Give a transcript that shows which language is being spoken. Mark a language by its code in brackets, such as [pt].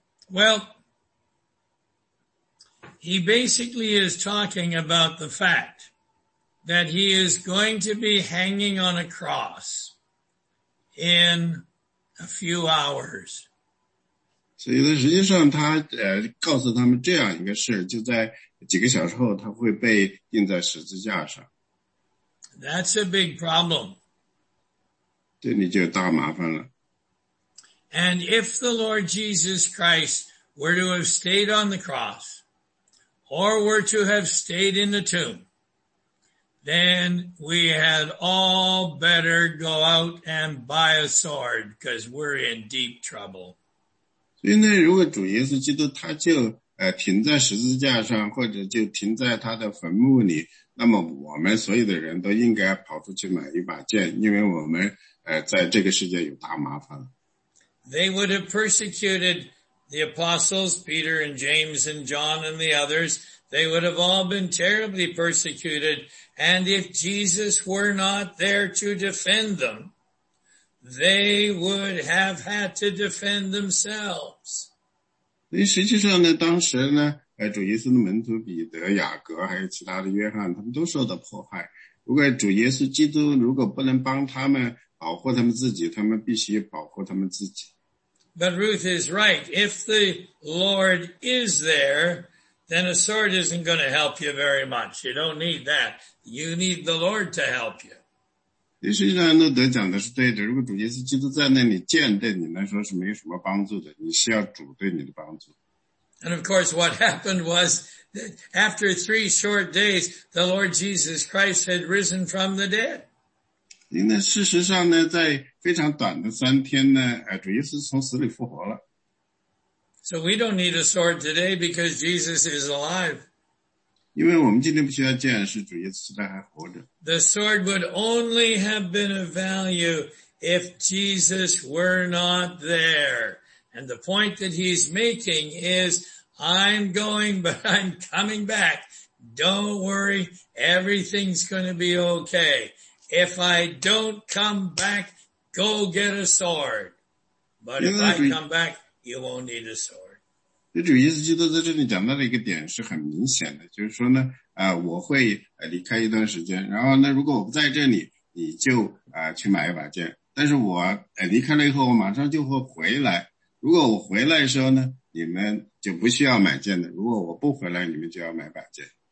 [en] Well, he basically is talking about the fact that he is going to be hanging on a cross in a few hours. [zh] 所以呢，实际上他告诉他们这样一个事，就在几个小时后，他会被钉在十字架上。 [en] That's a big problem. [zh] 对你就大麻烦了。 [en] And if the Lord Jesus Christ were to have stayed on the cross, or were to have stayed in the tomb, then we had all better go out and buy a sword, because we're in deep trouble. [zh] 所以呢，如果主耶稣基督他就停在十字架上，或者就停在他的坟墓里，那么我们所有的人都应该跑出去买一把剑，因为我们在这个世界有大麻烦了。 [en] They would have persecuted the apostles, Peter and James and John and the others. They would have all been terribly persecuted. And if Jesus were not there to defend them, they would have had to defend themselves. [zh] 实际上呢，当时呢，主耶稣的门徒彼得、雅各还有其他的约翰，他们都受到迫害。如果主耶稣基督如果不能帮他们保护他们自己，他们必须保护他们自己。 [en] But Ruth is right. If the Lord is there, then a sword isn't going to help you very much. You don't need that. You need the Lord to help you. [zh] 实际上诺德讲的是对的。如果主耶稣基督在那里，剑对你来说是没什么帮助的。你需要主对你的帮助。 [en] And of course, what happened was that after 3 short days, the Lord Jesus Christ had risen from the dead. [zh] 因为事实上呢，在非常短的三天呢，主耶稣从死里复活了。 [en] So we don't need a sword today because Jesus is alive. [zh] 因为我们今天不需要剑，是主耶稣还活着。 [en] The sword would only have been of value if Jesus were not there. And the point that he's making is, I'm going, but I'm coming back. Don't worry, everything's going to be okay. If I don't come back, go get a sword. But if I come back, you won't need a sword. [zh] 这主耶稣基督在这里讲到的一个点是很明显的，就是说呢，我会离开一段时间，然后呢，如果我不在这里，你就去买一把剑。但是我离开了以后，我马上就会回来。如果我回来的时候呢，你们就不需要买剑的；如果我不回来，你们就要买把剑。